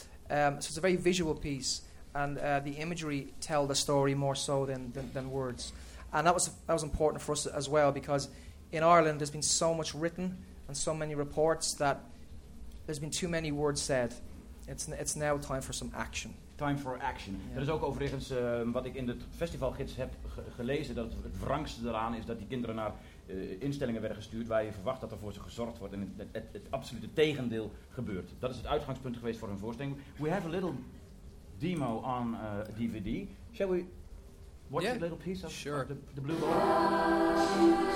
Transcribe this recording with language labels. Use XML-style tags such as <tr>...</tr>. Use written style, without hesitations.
<en>So it's a very visual piece, and the imagery tell the story more so than words. And that was important for us as well, because in Ireland there's been so much written and so many reports that there's been too many words said. It's now time for some action. Time for action. Yeah.</en> <nl>Dat is ook overigens wat ik in de festivalgids heb gelezen, dat het wrangste eraan is dat die kinderen naar instellingen werden gestuurd waar je verwacht dat er voor ze gezorgd wordt en het absolute tegendeel gebeurt. Dat is het uitgangspunt geweest voor hun voorstelling.</nl> <en>We have a little demo on DVD. Shall we watch a little piece of the blue ball?</en>